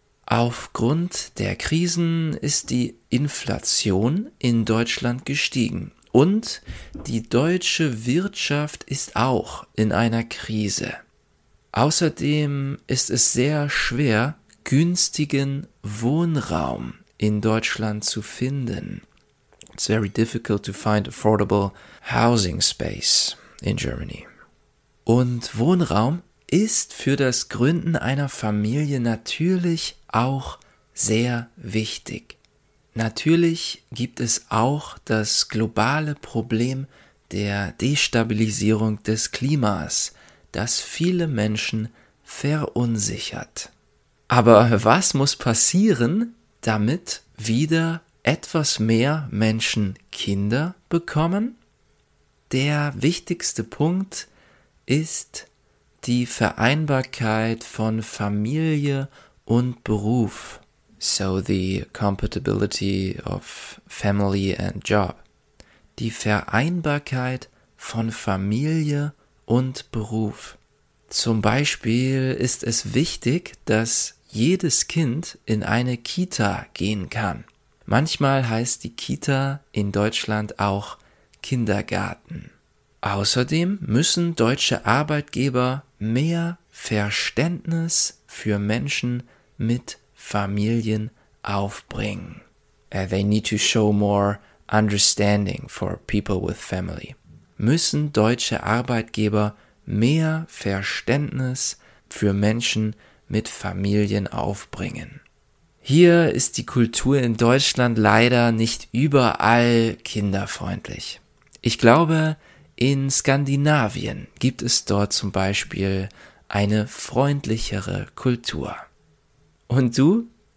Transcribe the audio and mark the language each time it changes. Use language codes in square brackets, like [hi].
[de] Aufgrund der Krisen ist die Inflation in Deutschland gestiegen und die deutsche Wirtschaft ist auch in einer Krise. Außerdem ist es sehr schwer, günstigen Wohnraum in Deutschland zu finden. [en] It's very difficult to find affordable housing space in Germany. [de] Und Wohnraum ist für das Gründen einer Familie natürlich auch sehr wichtig. Natürlich gibt es auch das globale Problem der Destabilisierung des Klimas, das viele Menschen verunsichert. Aber was muss passieren, damit wieder etwas mehr Menschen Kinder bekommen? Der wichtigste Punkt ist die Vereinbarkeit von Familie und Beruf. [en] So the compatibility of family and job. [de] Die Vereinbarkeit von Familie und Beruf. Zum Beispiel ist es wichtig, dass jedes Kind in eine Kita gehen kann. Manchmal heißt die Kita in Deutschland auch Kindergarten. Außerdem müssen deutsche Arbeitgeber mehr Verständnis für Menschen mit Familien aufbringen. [en] They need to show more understanding for people with family. [de] Müssen deutsche Arbeitgeber mehr Verständnis für Menschen mit Familien aufbringen. Hier ist die Kultur in Deutschland leider nicht überall kinderfreundlich. Ich glaube, in Skandinavien gibt es dort zum Beispiel eine freundlichere Kultur. Und du?